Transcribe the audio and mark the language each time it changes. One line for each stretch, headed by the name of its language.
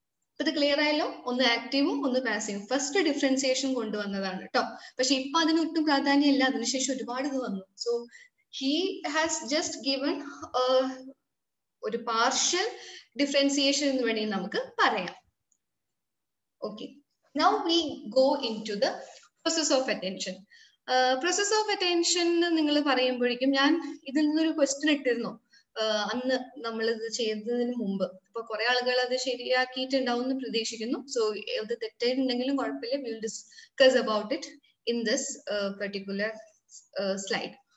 Malayalam: ഇപ്പൊ ഇത് ക്ലിയർ ആയല്ലോ, ഒന്ന് ആക്റ്റീവും ഒന്ന് പാസീവും. ഫസ്റ്റ് ഡിഫറൻസിയേഷൻ കൊണ്ടുവന്നതാണ് കേട്ടോ, പക്ഷെ ഇപ്പൊ അതിന് ഒട്ടും പ്രാധാന്യമല്ല, അതിനുശേഷം ഒരുപാട് ഇത് വന്നു.
English: so he has just given
Malayalam: ഒരു പാർഷ്യൽ ഡിഫറൻസിയേഷൻ എന്ന് വേണമെങ്കിൽ നമുക്ക് പറയാം.
English: Okay, Now we go into the process of attention. Process of attention,
Malayalam: നിങ്ങൾ പറയുമ്പോഴേക്കും ഞാൻ ഇതിൽ നിന്നൊരു ക്വസ്റ്റ്യൻ ഇട്ടിരുന്നു അന്ന് നമ്മൾ ഇത് ചെയ്തതിന് മുമ്പ്. അപ്പൊ കുറെ ആളുകൾ അത് ശരിയാക്കിയിട്ടുണ്ടാവും എന്ന് പ്രതീക്ഷിക്കുന്നു. സോ അത് തെറ്റായിട്ടുണ്ടെങ്കിലും കുഴപ്പമില്ല,
English: Will discuss about it in this particular slide.